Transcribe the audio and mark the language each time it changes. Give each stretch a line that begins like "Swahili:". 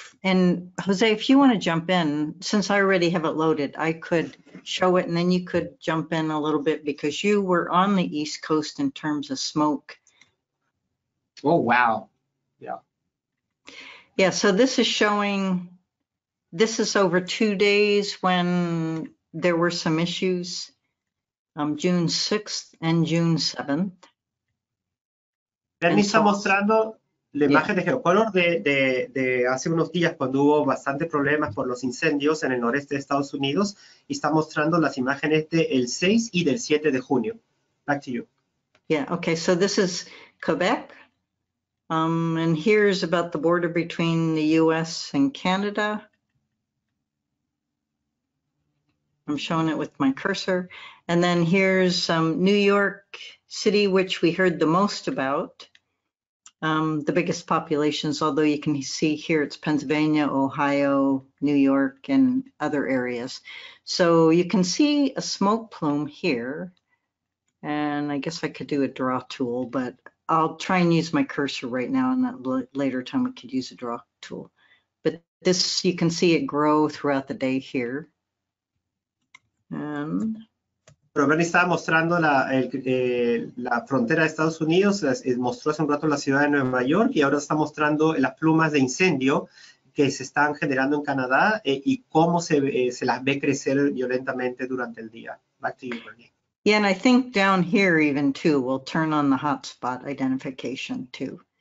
English: And Jose, if you want to jump in, since I already have it loaded, I could show it and then you could jump in a little bit because you were on the East Coast in terms of smoke. Oh, wow. Yeah, so this is showing, this is over 2 days when there were some issues, June 6th and June 7th.
Spanish: Bernie está mostrando la imagen de geocolor de hace unos días cuando hubo bastantes problemas por los incendios en el noreste de Estados Unidos y está mostrando las imágenes del 6 y del 7 de junio.
English: Back to you. Yeah, okay, so this is Quebec. And here's about the border between the U.S. and Canada. I'm showing it with my cursor. And then here's New York City, which we heard the most about, the biggest populations, although you can see here it's Pennsylvania, Ohio, New York, and other areas. So you can see a smoke plume here. And I guess I could do a draw tool, but I'll try and use my cursor right now, and that later time we could use a draw tool. But this, you can see it grow throughout the day here.
Spanish: Pero Bernie estaba mostrando la frontera de Estados Unidos, mostró hace un rato la ciudad de Nueva York, y ahora está mostrando las plumas de incendio que se están generando en Canadá y cómo se las ve crecer violentamente durante el día.
English: Back to you, Bernie. Yeah, and I think down here even too, we'll turn on the hotspot identification too.